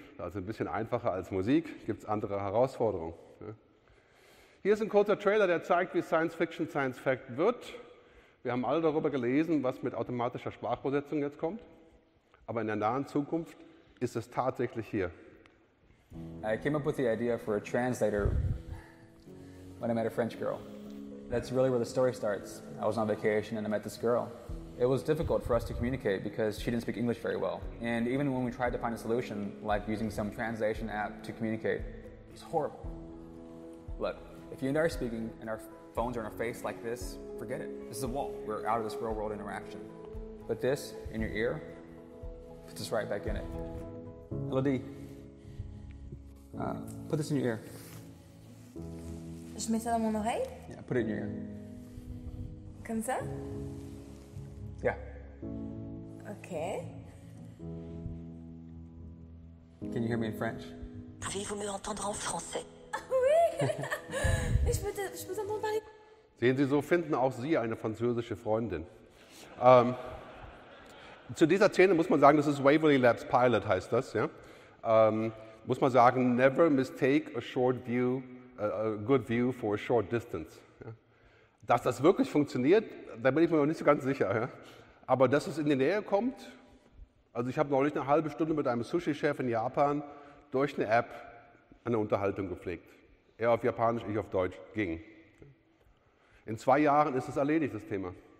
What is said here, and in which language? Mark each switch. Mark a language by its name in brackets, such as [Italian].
[German] Das ist ein bisschen einfacher als Musik, gibt es andere Herausforderungen. Hier ist ein kurzer Trailer, der zeigt, wie Science Fiction Science Fact wird. Wir haben alle darüber gelesen, was mit automatischer Sprachübersetzung jetzt kommt. Aber in der nahen Zukunft ist es tatsächlich hier. [English] I came up with the idea for a translator when I met a French girl. That's really where the story starts. I was on vacation and I met this girl. It was difficult for us to communicate because she didn't speak English very well. And even when we tried to find a solution, like using some translation app to communicate, it was horrible. Look, if you and I are speaking and our phones are in our face like this, forget it. This is a wall. We're out of this real-world interaction. But this, in your ear, puts us right back in it. Hello, Dee. Put this in your ear. [French] Je mets ça dans mon oreille? [English] Yeah, put it in your ear. [French] Comme ça? [English] Yeah. Okay. Can you hear me in French? [French] Pouvez-vous me entendre en français? Oui! Je peux t'entendre parler. [German] Sehen Sie, so finden auch Sie eine französische Freundin. Zu dieser Szene muss man sagen, das ist Waverly Labs Pilot, heißt das. Ja? Muss man sagen, [English] never mistake a short view, a good view for a short distance. [German] Ja? Dass das wirklich funktioniert, da bin ich mir noch nicht so ganz sicher. Ja? Aber dass es in die Nähe kommt, also ich habe neulich eine halbe Stunde mit einem Sushi-Chef in Japan durch eine App eine Unterhaltung gepflegt. Er auf Japanisch, ich auf Deutsch, ging. In 2 Jahren ist es erledigt, das Thema.